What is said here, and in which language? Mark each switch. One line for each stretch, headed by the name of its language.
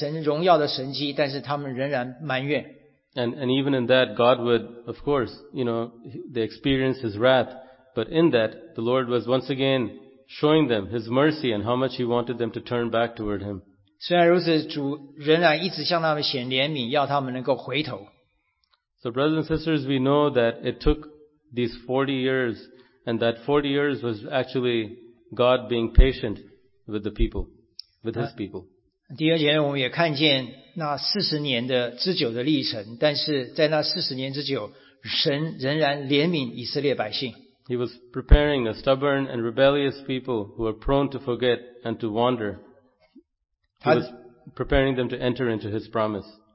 Chinese: 我们在以色列百姓上看见这样一个见证，就是当他们虽然看见神荣耀的神迹，但是他们仍然埋怨。
English: And even in that, God would, of course, you know, they experienced His wrath. But in that, the Lord was once again showing them His mercy and how much He wanted them to turn back toward Him.
Chinese: 虽然如此，主仍然一直向他们显怜悯，要他们能够回头。
English: So brothers and sisters, we know that it took these 40 years, and that 40 years was actually God being patient with the people, with His people.
Chinese: 第二节我们也看见那40年的之久的历程，但是在那40年之久，神仍然怜悯以色列百姓。
English: He was preparing a stubborn and rebellious people who are prone to forget and to wander. He was preparing them to enter into His promise.